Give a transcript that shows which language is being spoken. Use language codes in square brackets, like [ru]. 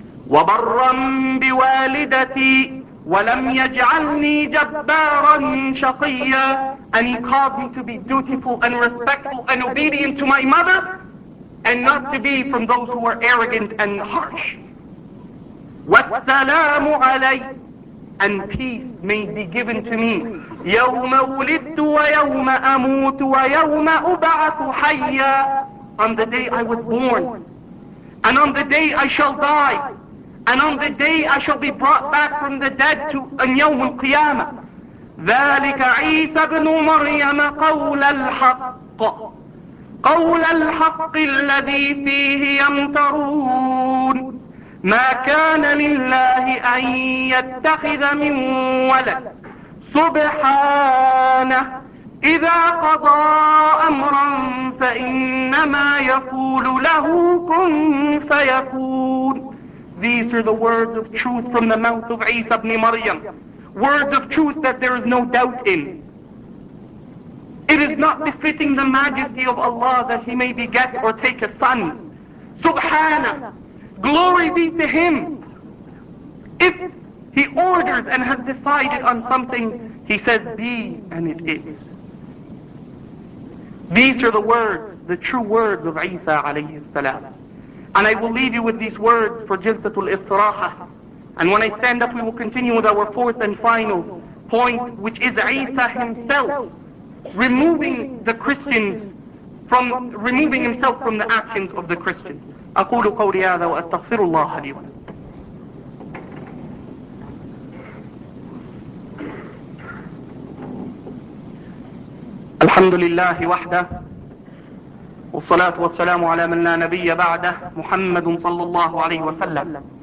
[ar] وبرًا بوالدتي ولم يجعلني جبارًا شقيًا. [en] And he called me to be dutiful and respectful and obedient to my mother, and not to be from those who are arrogant and harsh. [ar] والسلام علي. [en] And peace may be given to me. [ar] يوم ولدت ويوم أموت ويوم أبعث حيا. [en] On the day I was born, and on the day I shall die, and on the day I shall be brought back from the dead to [ar] يوم القيامة. ذلك عيسى بن مريم قول الحق. قول الحق الذي فيه يمترون. ما كان لله أن يتخذ من ولد سبحانه إذا قضى أمرا فإنما يقول له كن فيكون. [en] These are the words of truth from the mouth of Isa ibn Maryam. Words of truth that there is no doubt in. It is not befitting the majesty of Allah that he may beget or take a son. Subhana. Glory be to him. If he orders and has decided on something, he says be and it is. These are the words, the true words of Isa alayhi salam. And I will leave you with these words for Jilsatul Istiraha. And when I stand up, we will continue with our fourth and final point, which is Isa himself removing the Christians from, removing himself from the actions of the Christians. [ar] أقول قولي هذا وأستغفر الله لي ولكم. الحمد لله وحده والصلاة والسلام على من لا نبي بعده محمد صلى الله عليه وسلم.